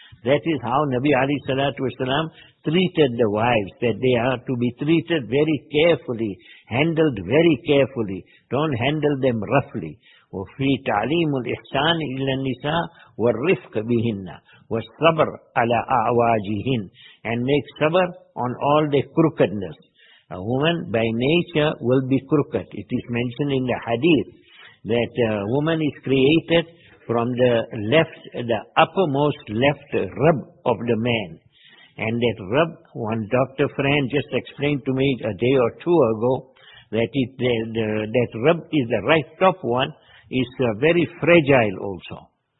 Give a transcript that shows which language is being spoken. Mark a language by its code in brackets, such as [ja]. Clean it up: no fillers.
[en] That is how Nabi Ali Salatu Wasalam treated the wives, that they are to be treated very carefully, handled very carefully. Don't handle them roughly. [ar] وفي تعليم الإحسان إلى النساء والرفق بهن والصبر على أعواجهن. [en] And make صبر on all the crookedness. A woman by nature will be crooked. It is mentioned in the hadith that a woman is created from the left, the uppermost left rib of the man. And that rib, one doctor friend just explained to me a day or two ago, that it, that rib is the right top one, is very fragile also.